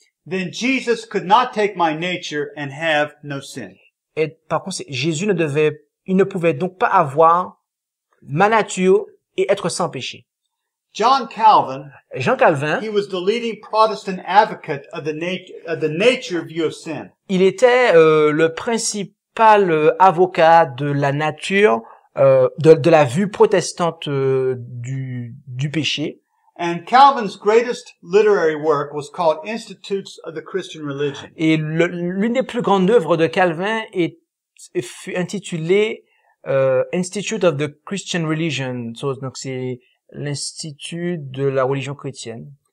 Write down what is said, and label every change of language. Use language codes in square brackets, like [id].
[en] Then Jesus could not take my nature and have no sin. [fr] Et par contre, il ne pouvait donc pas avoir ma nature et être sans péché. [en] Jean Calvin, he was the leading Protestant advocate of the nature view of sin. [fr] Il était le principal avocat de la nature de la vue protestante du péché. [en] And Calvin's greatest literary work was called Institutes of the Christian Religion. [fr] Et l'une des plus grandes œuvres de Calvin fut intitulée Institute of the Christian Religion. Donc c'est l'Institut de la religion chrétienne.